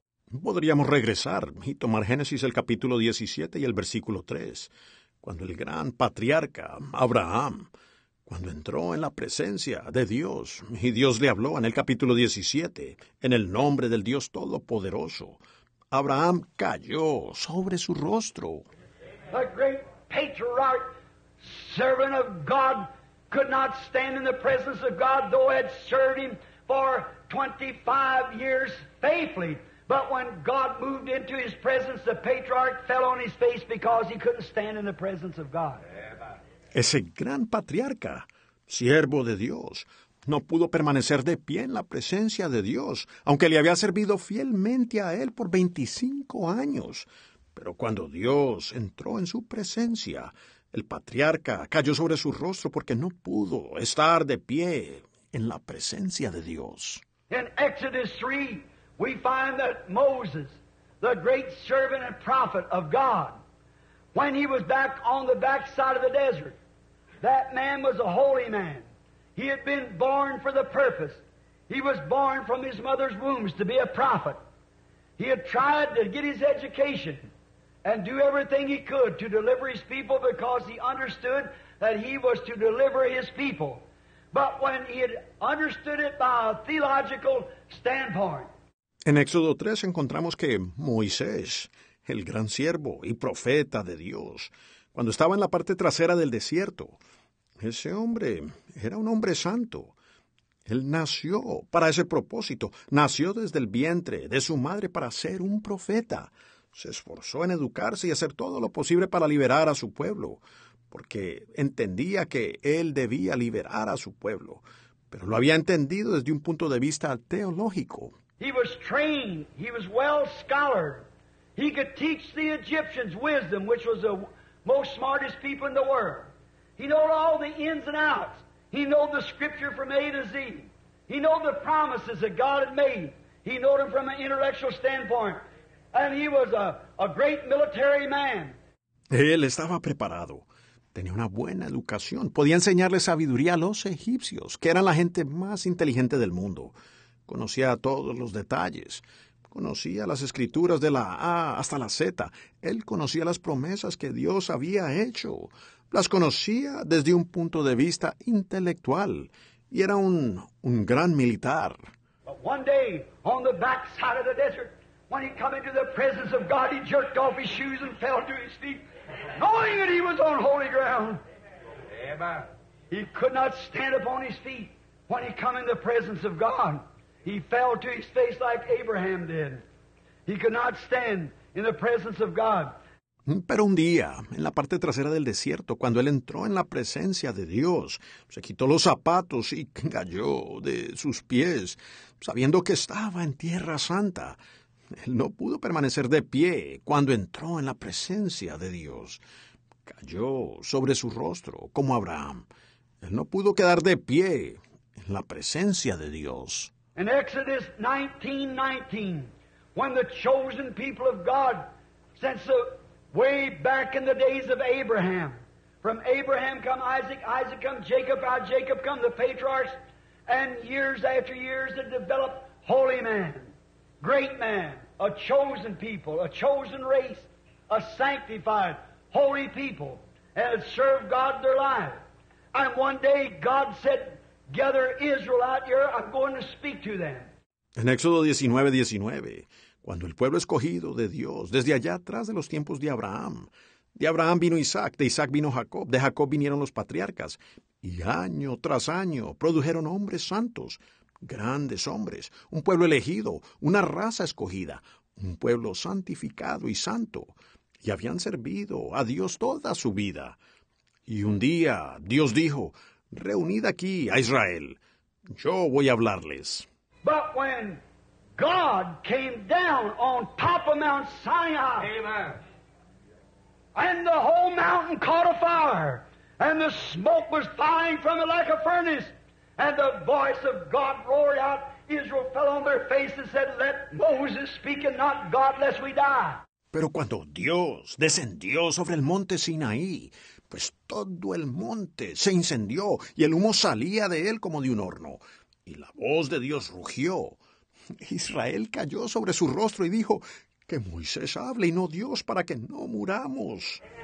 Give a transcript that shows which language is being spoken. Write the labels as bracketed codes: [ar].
[es] Podríamos regresar y tomar Génesis el capítulo 17 y el versículo 3, cuando el gran patriarca Abraham, cuando entró en la presencia de Dios y Dios le habló en el capítulo 17, en el nombre del Dios Todopoderoso, Abraham cayó sobre su rostro. [en] A great patriarch, servant of God, could not stand in the presence of God, though he had served him for 25 years faithfully. But when God moved into his presence, the patriarch fell on his face because he couldn't stand in the presence of God. [es] Ese gran patriarca, siervo de Dios, no pudo permanecer de pie en la presencia de Dios, aunque le había servido fielmente a él por 25 años. Pero cuando Dios entró en su presencia, el patriarca cayó sobre su rostro porque no pudo estar de pie en la presencia de Dios. [en] In Exodus 3, we find that Moses, the great servant and prophet of God, when he was back on the backside of the desert, that man was a holy man. He had been born for the purpose. He was born from his mother's womb to be a prophet. He had tried to get his education and do everything he could to deliver his people because he understood that he was to deliver his people. But when he had understood it by a theological standpoint. [es] En Éxodo 3 encontramos que Moisés, el gran siervo y profeta de Dios, cuando estaba en la parte trasera del desierto, ese hombre era un hombre santo. Él nació para ese propósito, nació desde el vientre de su madre para ser un profeta. Se esforzó en educarse y hacer todo lo posible para liberar a su pueblo, porque entendía que él debía liberar a su pueblo, pero lo había entendido desde un punto de vista teológico. [en] He was trained, he was well scholared. He could teach the Egyptians wisdom, which was the most smartest people in the world. He knew all the ins and outs. He knew the scripture from A to Z. He knew the promises that God had made. He knew them from an intellectual standpoint. And he was a great military man. [es] Él estaba preparado. Tenía una buena educación. Podía enseñarle sabiduría a los egipcios, que eran la gente más inteligente del mundo. Conocía todos los detalles. Conocía las escrituras de la A hasta la Z. Él conocía las promesas que Dios había hecho. Las conocía desde un punto de vista intelectual. Y era un gran militar. [en] But one day, on the back side of the desert, when he came into the presence of God, he jerked off his shoes and fell to his feet, knowing that he was on holy ground. Amen. He could not stand upon his feet when he came in the presence of God. He fell to his face like Abraham did. He could not stand in the presence of God. [es] Pero un día, en la parte trasera del desierto, cuando él entró en la presencia de Dios, se quitó los zapatos y cayó de sus pies, sabiendo que estaba en tierra santa. Él no pudo permanecer de pie cuando entró en la presencia de Dios. Cayó sobre su rostro, como Abraham. Él no pudo quedar de pie en la presencia de Dios. [en] In Exodus 19:19, when the chosen people of God, since the way back in the days of Abraham, from Abraham come Isaac, Isaac come Jacob, out of Jacob come the patriarchs, and years after years they develop holy man, great man, a chosen people, a chosen race, a sanctified holy people. and had served God their life. And one day God said, gather Israel out here, I'm going to speak to them. [es] En Éxodo 19:19, cuando el pueblo escogido de Dios, desde allá atrás de los tiempos de Abraham, de Abraham vino Isaac, de Isaac vino Jacob, de Jacob vinieron los patriarcas, y año tras año produjeron hombres santos, grandes hombres, un pueblo elegido, una raza escogida, un pueblo santificado y santo, y habían servido a Dios toda su vida. Y un día Dios dijo, reunid aquí a Israel, yo voy a hablarles. [en] But when God came down on top of Mount Sinai, amen, and the whole mountain caught a fire, and the smoke was flying from it like a furnace, and the voice of God roared out, Israel fell on their faces and said, let Moses speak and not God, lest we die. [es] Pero cuando Dios descendió sobre el monte Sinaí, pues todo el monte se incendió y el humo salía de él como de un horno. Y la voz de Dios rugió. Israel cayó sobre su rostro y dijo, que Moisés hable y no Dios para que no muramos.